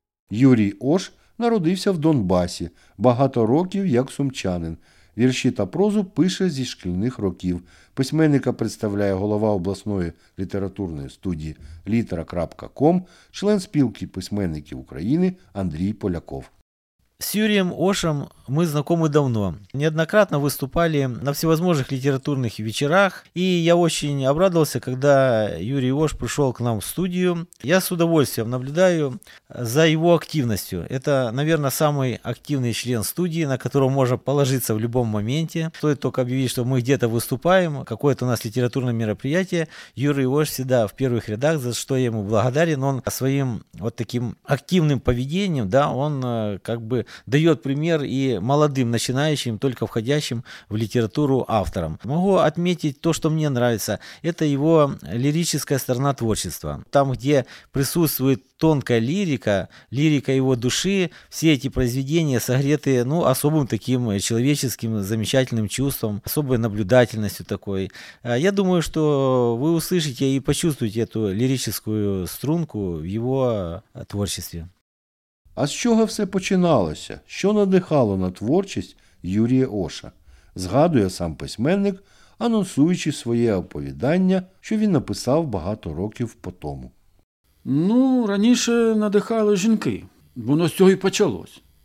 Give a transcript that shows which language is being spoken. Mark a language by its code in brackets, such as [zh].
[uk] Юрій Ош народився в Донбасі, багато років як сумчанин. Вірші та прозу пише зі шкільних років. Письменника представляє голова обласної літературної студії «Літера.ком», член спілки письменників України Андрій Поляков. [ru] С Юрием Ошем мы знакомы давно. Неоднократно выступали на всевозможных литературных вечерах. И я очень обрадовался, когда Юрий Ош пришел к нам в студию. Я с удовольствием наблюдаю за его активностью. Это, наверное, самый активный член студии, на которого можно положиться в любом моменте. Стоит только объявить, что мы где-то выступаем, какое-то у нас литературное мероприятие. Юрий Ош всегда в первых рядах, за что я ему благодарен. Он своим вот таким активным поведением, да, он как бы дает пример и молодым начинающим, только входящим в литературу авторам. Могу отметить то, что мне нравится. Это его лирическая сторона творчества. Там, где присутствует тонкая лирика, лирика его души, все эти произведения согреты, ну, особым таким человеческим замечательным чувством, особой наблюдательностью такой. Я думаю, что вы услышите и почувствуете эту лирическую струнку в его творчестве. [uk] А з чого все починалося? Що надихало на творчість Юрія Оша? Згадує сам письменник, анонсуючи своє оповідання, що він написав багато років потому. Ну, раніше надихали жінки, воно з цього і почалось.